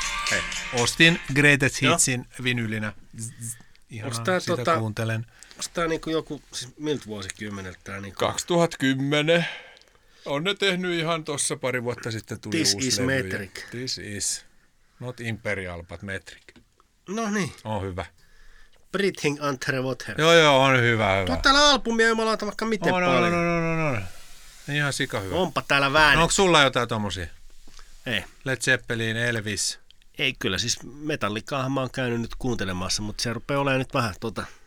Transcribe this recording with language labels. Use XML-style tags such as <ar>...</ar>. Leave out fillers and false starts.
<fi>Hei, ostin Greatest Hitsin vinylinä. Ihan sitä kuuntelen. Onko tämä niin joku, siis miltä vuosikymmeneltä tämä? Niin 2010. On ne tehnyt ihan tuossa pari vuotta sitten tuli</fi> <en>This</en> <fi>uusi levy.</fi> <en>This is Metric. This is not Imperial, but Metric.</en> <fi>No niin. On hyvä.</fi> <en>Breathing Under Water.</en> <fi>Joo, joo, on hyvä, hyvä. Tuo täällä albumia jumalauta vaikka miten on, paljon. On. Ihan sika hyvä. Onpa täällä väännetty. No, onko sulla jotain tommosia? Ei. Led Zeppelin, Elvis. Ei kyllä, siis Metallicaahan mä oon käynyt nyt kuuntelemassa, mutta se rupeaa olemaan nyt vähän tuota...</fi>